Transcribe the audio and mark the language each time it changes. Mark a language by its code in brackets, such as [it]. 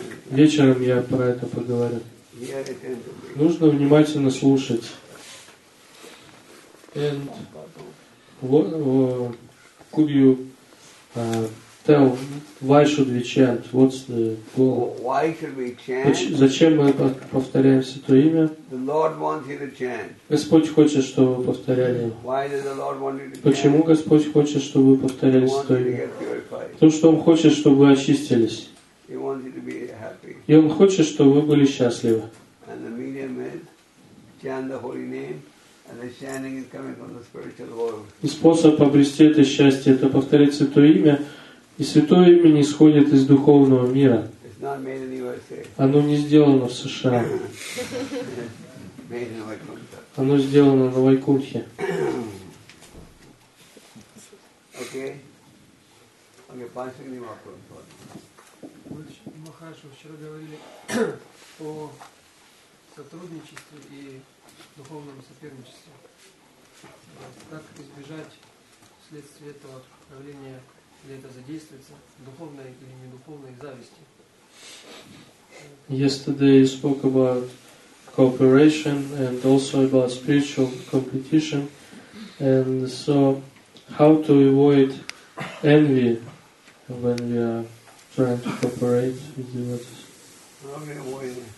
[ru] Вечером я про это поговорю. Нужно внимательно слушать. [en] And what could you tell, why should we chant? What's the goal? Why should we chant? [ru] Зачем мы повторяем Святое Имя? [en] The Lord wants you to chant. [ru] Господь хочет, чтобы вы повторяли. [en] Why does the Lord want you to chant? [ru] Почему Господь хочет, чтобы вы повторяли Святое Имя? Потому что Он хочет, чтобы вы очистились. [en] He wants you to be happy. [ru] И Он хочет, чтобы вы были счастливы. [en] And the medium is chant the holy name. And the chanting is coming from the spiritual world. [ru] И способ обрести это счастье – это повторить Святое Имя. И Святое Имя не исходит из духовного мира. [en] It's not made in USA. [ru] Оно не сделано в США. [en] Made in Vaikuntha. [ru] Оно сделано на Вайкунтхе. [en] Okay. Okay, [ru] Панчик, не вопрос. Махарадж, вы вчера говорили о сотрудничестве и духовном соперничестве. Как избежать вследствие этого проявления или это задействуется духовной или недуховной зависти? [en] Yesterday you spoke about cooperation and also about spiritual competition, and so how to avoid envy when we are trying to cooperate with the devotees?